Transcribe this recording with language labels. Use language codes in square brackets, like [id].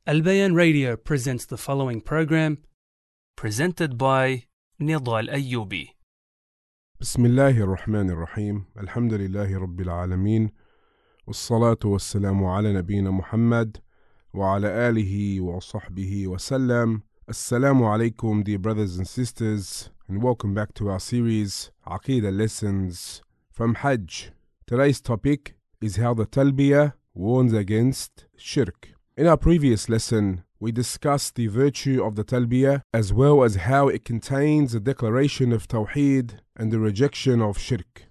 [en] البيان radio presents the following program presented by نضال أيوبي. [ar] بسم الله الرحمن الرحيم. الحمد لله رب العالمين، والصلاة والسلام على نبينا محمد وعلى آله وصحبه وسلم. السلام عليكم [en] dear brothers and sisters, and welcome back to our series عقيدة lessons from حج. Today's topic is how the تلبية warns against shirk. In our previous lesson, we discussed the virtue of the talbiyah as well as how it contains a declaration of tawheed and the rejection of shirk.